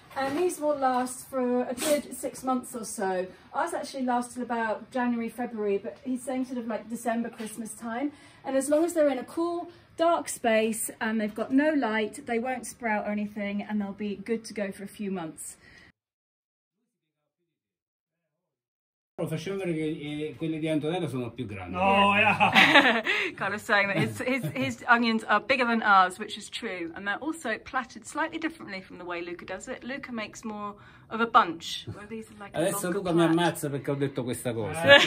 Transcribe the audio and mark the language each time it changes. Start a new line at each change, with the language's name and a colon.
English: And these will last for a good 6 months or so. Ours actually lasted about January, February, but he's saying sort of like December, Christmas time. And as long as they're in a cool, dark space and they've got no light, they won't sprout or anything and they'll be good to go for a few months.
Italian: Facciamo vedere che quelle di Antonella sono più grandi.
English: Oh, yeah! Carlo's saying that his onions are bigger than ours, which is true. And they're also plaited slightly differently from the way Luca does it. Luca makes more of a bunch. Well, these are like
Italian: Adesso a Luca
English: plat.
Italian: Mi ammazza perché ho detto questa cosa.